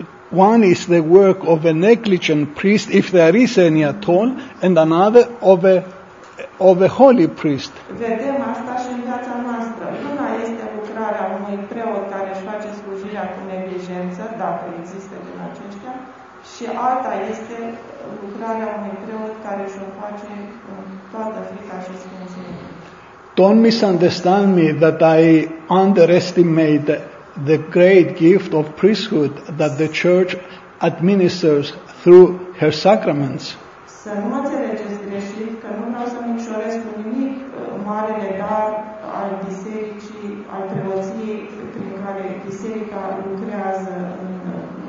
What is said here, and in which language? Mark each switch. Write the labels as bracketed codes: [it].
[en] One is the work of a negligent priest, if there is any at all, and another of a holy priest. [ro] Vedem asta și în viața noastră. Una este lucrarea unui preot care își face slujirea cu neglijență, dacă există din aceștia, și alta este lucrarea unui preot care își o face cu toată frica și sfințenia. [en] Don't misunderstand me that I underestimate the great gift of priesthood that the Church administers through her sacraments. [ro] Să nu mă înțelegeți greșit, că nu vreau să micșorez cu nimic marele dar al bisericii, al preoției prin care biserica lucrează între noi.